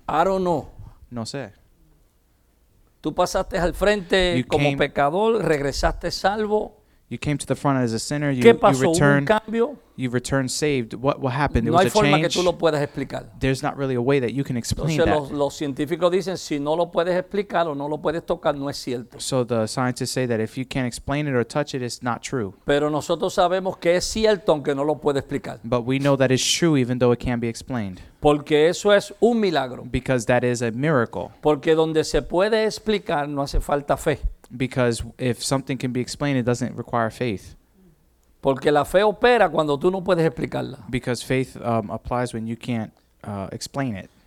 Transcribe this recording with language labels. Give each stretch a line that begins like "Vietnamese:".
English: I don't know.
Spanish: No sé. Tú pasaste al frente como pecador, regresaste salvo.
English: You came to the front as a sinner.
Spanish: ¿Qué pasó?
English: You returned, you returned saved. What happened? No it was a change.
Spanish: No hay forma que tú lo puedas explicar.
English: There's not really a way that you can explain.
Spanish: Entonces,
English: that.
Spanish: Los científicos dicen, si no lo puedes explicar o no lo puedes tocar, no es cierto.
English: So the scientists say that if you can't explain it or touch it, it's not true.
Spanish: Pero nosotros sabemos que es cierto aunque no lo puedes explicar.
English: But we know that it's true even though it can't be explained.
Spanish: Porque eso es un milagro.
English: Because that is a miracle.
Spanish: Porque donde se puede explicar no hace falta fe.
English: Because if something can be explained, it doesn't require faith.
Spanish: Porque la fe opera cuando tú no puedes explicarla.
English: Because faith applies when you can't explain it.